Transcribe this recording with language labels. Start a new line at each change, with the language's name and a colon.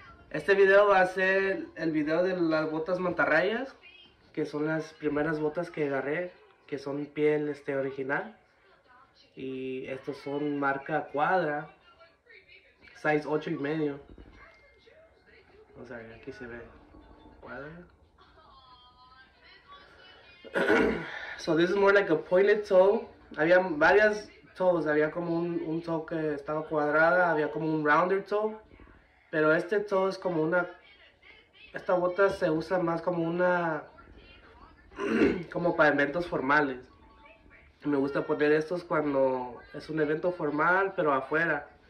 Spanish: Este video va a ser el video de las botas mantarrayas, que son las primeras botas que agarré, que son piel original. Y estos son marca Cuadra, size 8 y medio. Vamos a ver, aquí se ve Cuadra.
English: So this is more like a pointed toe.
Spanish: Había varias toes, había como un toe que estaba cuadrada, había como un
English: rounder toe.
Spanish: Pero este toe es como una... Esta bota se usa más como una... como para eventos formales. Me gusta poner estos cuando es un evento formal, pero afuera.